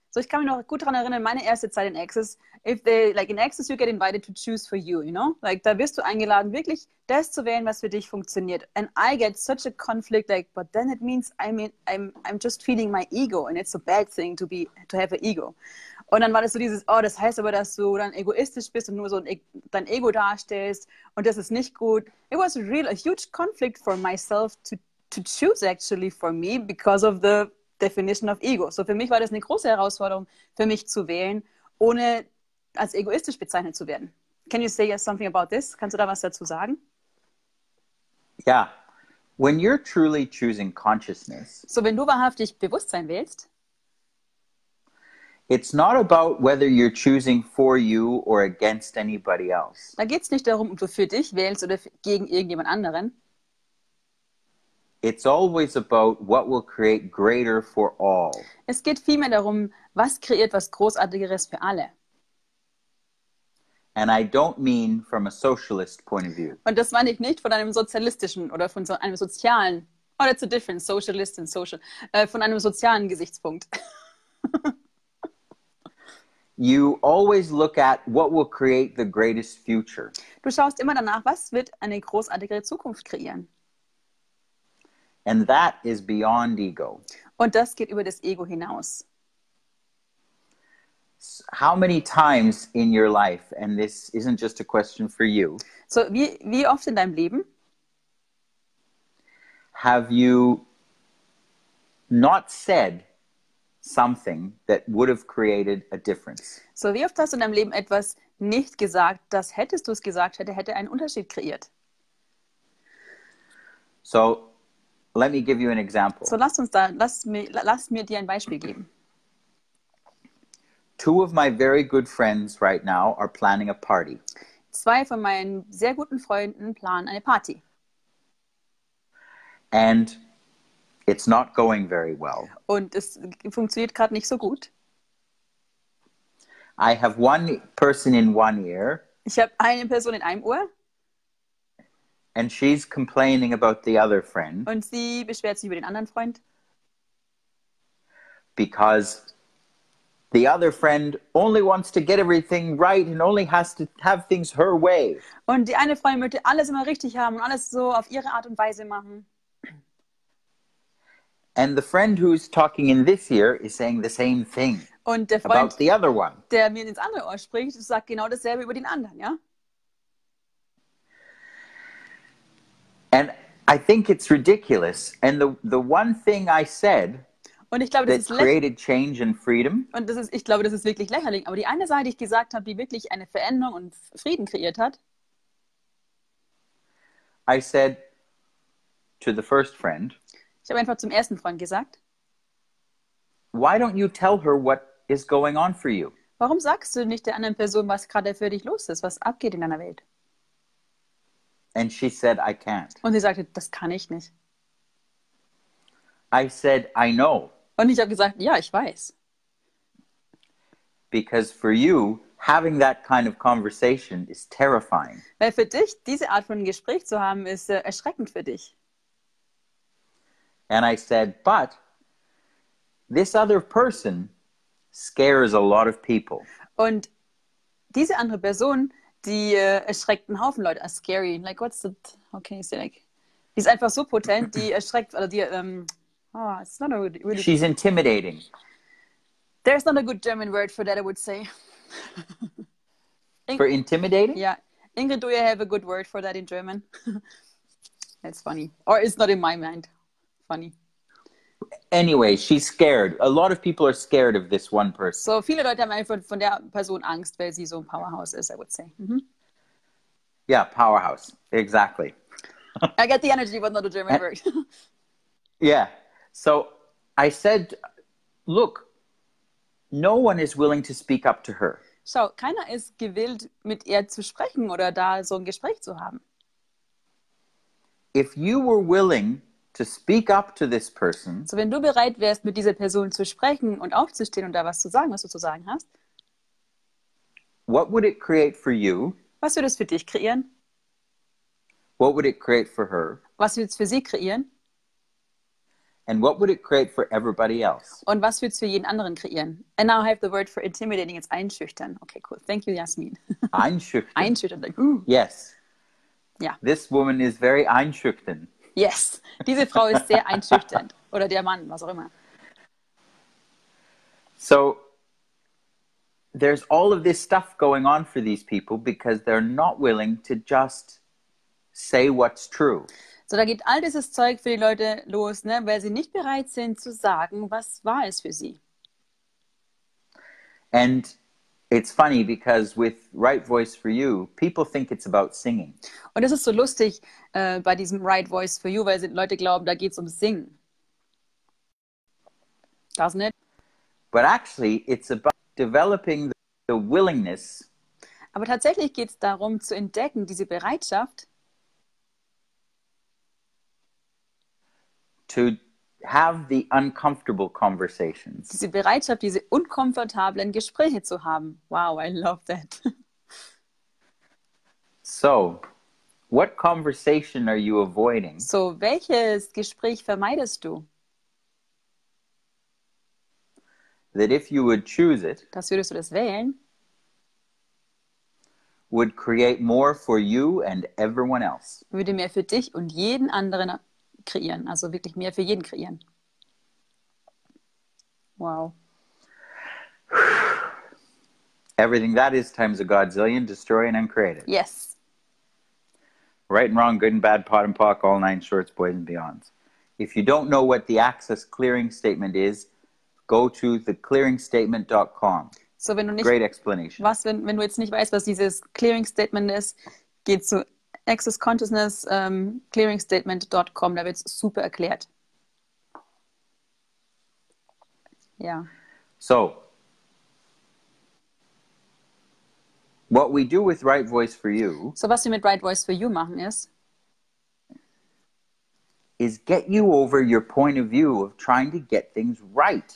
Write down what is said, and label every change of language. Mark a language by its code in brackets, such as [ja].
[de] So ich kann mich noch gut daran erinnern, meine erste Zeit in Access. [en] If they like in Access, you get invited to choose for you, you know? [de] Like da wirst du eingeladen, wirklich das zu wählen, was für dich funktioniert. [en] And I get such a conflict like, but then it means I'm just feeding my ego and it's a bad thing to have an ego. [de] Und dann war das so dieses, oh, das heißt aber, dass du dann egoistisch bist und nur so dein Ego darstellst und das ist nicht gut. [en] It was really a huge conflict for myself to choose actually for me because of the definition of ego. [de] So für mich war das eine große Herausforderung, für mich zu wählen, ohne als egoistisch bezeichnet zu werden. [en] Can you say something about this? [de] Kannst du da was dazu sagen? [en] Yeah. When you're truly choosing consciousness. [de] So wenn du wahrhaftig Bewusstsein wählst. [en] It's not about whether you're choosing for you or against anybody else. [de] Da geht's nicht darum, ob du für dich wählst oder gegen irgendjemand anderen. [en] It's always about what will create greater for all. [de] Es geht vielmehr darum, was kreiert was Großartigeres für alle. [en] And I don't mean from a socialist point of view. [de] Und das meine ich nicht von einem sozialistischen oder von so einem sozialen, [en] oh, that's a different, socialist and social, [de] von einem sozialen Gesichtspunkt. [en] You always look at what will create the greatest future. [de] Du schaust immer danach, was wird eine großartigere Zukunft kreieren. [en] And that is beyond ego. [de] Und das geht über das Ego hinaus. [en] How many times in your life, and this isn't just a question for you. [de] So wie oft in deinem Leben? [en] Have you not said something that would have created a difference? [de] So wie oft hast du in deinem Leben etwas nicht gesagt, das hättest du es gesagt, hätte einen Unterschied kreiert? [en] So let me give you an example. [de] So lass mir dir ein Beispiel geben. [en] Two of my very good friends right now are planning a party. [de] Zwei von meinen sehr guten Freunden planen eine Party. [en] And it's not going very well. [de] Und es funktioniert gerade nicht so gut. [en] I have one person in one ear. [de] Ich habe eine Person in einem Ohr. [en] And she's complaining about the other friend. [de] Und sie beschwert sich über den anderen Freund. [en] Because the other friend only wants to get everything right and only has to have things her way. [de] Und die eine Freundin möchte alles immer richtig haben und alles so auf ihre Art und Weise machen. [en] And the friend who's talking in this ear is saying the same thing [de] und der [en] Freund, about the other one. [de] Der mir ins andere Ohr spricht, sagt genau dasselbe über den anderen, ja? [en] And I think it's ridiculous. And the one thing I said [de] und ich glaube, [en] that created change and freedom. [de] Und das ist, ich glaube, das ist wirklich lächerlich. Aber die eine Sache, die ich gesagt habe, die wirklich eine Veränderung und Frieden kreiert hat. [en] I said to the first friend. [de] Ich habe einfach zum ersten Freund gesagt. [en] Why don't you tell her what is going on for you? [de] Warum sagst du nicht der anderen Person, was gerade für dich los ist, was abgeht in deiner Welt? [en] And she said, I can't. [de] Und sie sagte, das kann ich nicht. [en] I said, I know. [de] Und ich habe gesagt, ja, ich weiß. [en] Because for you, having that kind of conversation is terrifying. [de] Weil für dich, diese Art von Gespräch zu haben, ist erschreckend für dich. [en] And I said, but this other person scares a lot of people. [de] Und diese andere Person, die erschreckt einen Haufen Leute, [en] are scary. Like, what's the, how can you say, like, [de] die ist einfach so potent, die erschreckt, oder die, [en] oh, it's not a really... She's intimidating. There's not a good German word for that, I would say. For intimidating? Yeah. Ingrid, do you have a good word for that in German? That's funny. Or it's not in my mind. Funny. Anyway, she's scared. A lot of people are scared of this one person. [de] So viele Leute haben einfach von der Person Angst, weil sie so ein Powerhouse ist, [en] I would say. Mm-hmm. Yeah, powerhouse. Exactly. I get the energy, but not a German word. Yeah. So I said, look, no one is willing to speak up to her. [de] So keiner ist gewillt, mit ihr zu sprechen oder da so ein Gespräch zu haben. [en] If you were willing to speak up to this person, [de] so wenn du bereit wärst, mit dieser Person zu sprechen und aufzustehen und da was zu sagen, was du zu sagen hast, [en] what would it create for you? [de] Was würde es für dich kreieren? [en] What would it create for her? [de] Was würde es für sie kreieren? [en] And what would it create for everybody else? [de] Und was würde es für jeden anderen kreieren? [en] And now I have the word for intimidating. It's einschüchtern. Okay, cool. Thank you, Jasmin. [de] Einschüchtern. [en] Einschüchtern. Like, ooh. Yes. Yeah. This woman is very einschüchtern. [de] Yes. Diese Frau ist sehr einschüchternd. Oder der Mann, was auch immer. [en] So, there's all of this stuff going on for these people because they're not willing to just say what's true. [de] So, da geht all dieses Zeug für die Leute los, ne, weil sie nicht bereit sind zu sagen, was wahr ist für sie. [en] And It's funny because with Right Voice for You, people think it's about singing. [de] Und das ist so lustig bei diesem Right Voice for You, weil Leute glauben, da geht's um Singen. [en] Doesn't it? But actually, it's about developing the willingness. [de] Aber tatsächlich geht's darum zu entdecken diese Bereitschaft. [en] To have the uncomfortable conversations. [de] Diese Bereitschaft, diese unkomfortablen Gespräche zu haben. [en] Wow, I love that. So, what conversation are you avoiding? [de] So, welches Gespräch vermeidest du? [en] That if you would choose it, [de] das würdest du das wählen, [en] would create more for you and everyone else. [de] Würde mehr für dich und jeden anderen kreieren, also wirklich mehr für jeden kreieren. [en] Wow. Everything that is times a godzillion, destroying and creating. Yes. Right and wrong, good and bad, pot and pock, all nine shorts, boys and beyonds. If you don't know what the access clearing statement is, go to theclearingstatement.com. [de] So wenn du nicht, [en] great explanation. [de] Was, wenn du jetzt nicht weißt, was dieses clearing statement ist, geh zu Access Consciousness clearingstatement.com, da wird es super erklärt. Ja. [en] So, what we do with Right Voice for You. [de] So, was wir mit Right Voice for You machen ist. [en] Is get you over your point of view of trying to get things right.